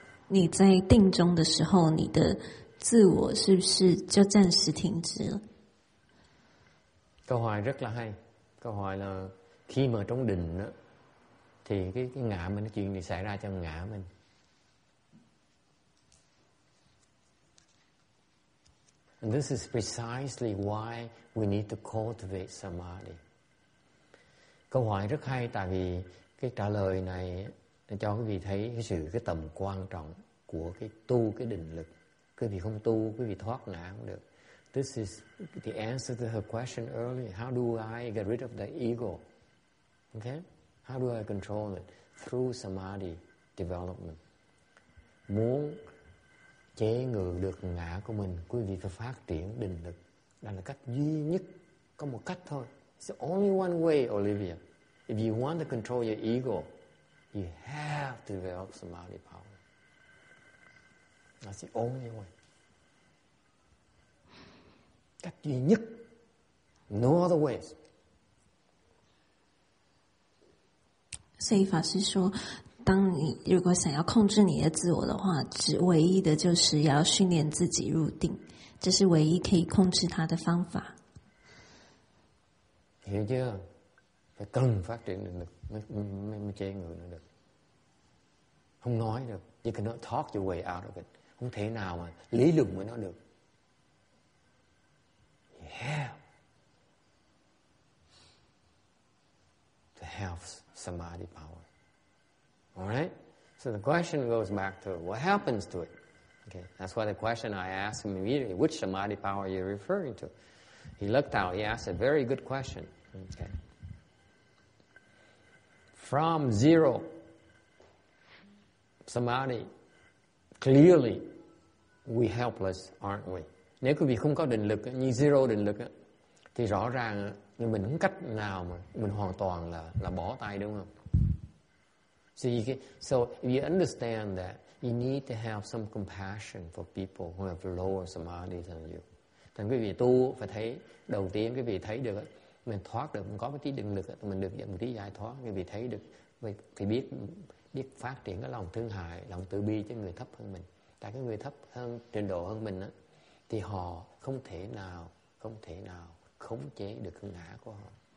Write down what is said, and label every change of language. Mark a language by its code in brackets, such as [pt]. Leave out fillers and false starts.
[zh] 你在定中的时候, 你的自我是不是就暂时停止了? [vi] câu hỏi rất là hay. Câu hỏi là khi mà trong định đó, thì cái ngã mình nó chuyện gì xảy ra cho ngã mình? [en] And this is precisely why we need to cultivate samadhi. [vi] Câu hỏi rất hay, tại vì cái trả lời này cho quý vị thấy cái sự cái tầm quan trọng của cái tu cái định lực. Quý vị không tu, quý vị thoát ngã không được. [en] This is the answer to her question earlier. How do I get rid of the ego? Okay? How do I control it? Through samadhi development. [vi] Muốn chế ngự được ngã của mình, quý vị phải phát triển định lực. Đó là cách duy nhất, có một cách thôi. [en] It's the only one way, Olivia. If you want to control your ego, you have to develop samadhi power. That's the only way. [vi] Cách duy nhất. [en] No other ways. [zh] 所以法师说, 当你如果想要控制你的自我的话, 只唯一的就是要训练自己入定, 这是唯一可以控制它的方法。 [vi] hiểu chưa? phải cần phát triển được mới chế người nó được. không nói được, chỉ cần nó [en] talk your way out of it, [vi] không thể nào mà lý luận với nó được. [en] yeah. to have samadhi power. alright. so the question goes back to what happens to it. okay. that's why the question I asked him immediately, which samadhi power are you referring to? he looked out. he asked a very good question. Okay. From zero, samadhi, clearly, we helpless, aren't we? [vi] Nếu quý vị không có định lực, như zero định lực, thì rõ ràng như mình không cách nào mà mình hoàn toàn là bỏ tay, đúng không? [en] So if you understand that, you need to have some compassion for people who have lower samadhi than you. [vi] Thì quý vị tu phải thấy, đầu tiên quý vị thấy được á,mình thoát được, mình có một tí định lực, mình được một tí giải thoát, người bị thấy được, thì biết phát triển cái lòng thương hại, lòng từ bi cho người thấp hơn mình. Tại cái người thấp hơn, trình độ hơn mình, thì họ không thể nào khống chế được hằng ngã của họ.